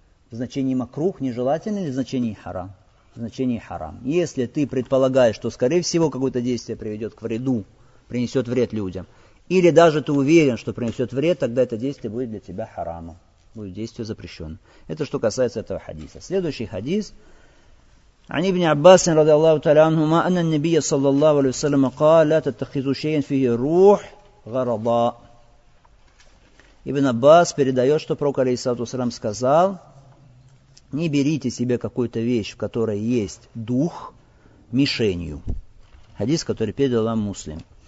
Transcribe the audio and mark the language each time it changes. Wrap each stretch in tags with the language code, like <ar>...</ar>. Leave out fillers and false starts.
<ru>В значении макрух, нежелательно, или в значении харам? В значении харам. Если ты предполагаешь, что скорее всего какое-то действие приведет к вреду, принесет вред людям, или даже ты уверен, что принесет вред, тогда это действие будет для тебя харамом. Будет действие запрещено. Это что касается этого хадиса. Следующий хадис.</ru> <ar>عن ابن عباس رضي الله تعالى عنهما أن النبي صلى الله عليه وسلم قال لا تتخذوا شيئا فيه روح غرضا.</ar> <ru>Ибн Аббас передает, что пророк алейхиссалям сказал: не берите себе какую-то вещь, в которой есть дух, мишенью. Хадис, который передал нам Муслим.</ru>